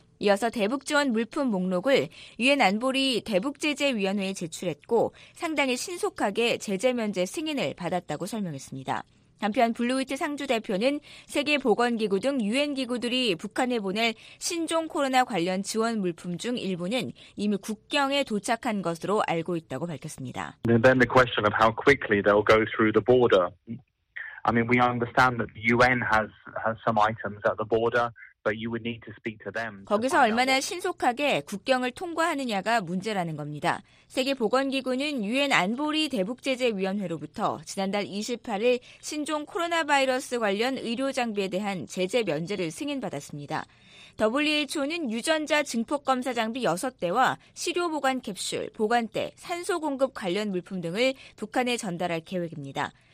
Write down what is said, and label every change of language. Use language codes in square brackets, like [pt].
[ko] 이어서 대북 지원 물품 목록을 유엔 안보리 대북 제재 위원회에 제출했고 상당히 신속하게 제재 면제 승인을 받았다고 설명했습니다. 한편 블루위트 상주 대표는 세계 보건 기구 등 유엔 기구들이 북한에 보낼 신종 코로나 관련 지원 물품 중 일부는 이미 국경에 도착한 것으로 알고 있다고 밝혔습니다. [en] Then the question of how quickly they'll go through the border. I mean, we understand that the UN has some items at the border. But you would need to speak to them. [ko] 거기서 얼마나 신속하게 국경을 통과하느냐가 문제라는 겁니다. 세계보건기구는 유엔 안보리 대북제재위원회로부터 지난달 28일 신종 코로나 바이러스 관련 의료 장비에 대한 제재 면제를 승인받았습니다. WHO는 유전자 증폭 검사 장비 6대와 시료 보관 캡슐, 보관대, 산소 공급 관련 물품 등을 북한에 전달할 계획입니다.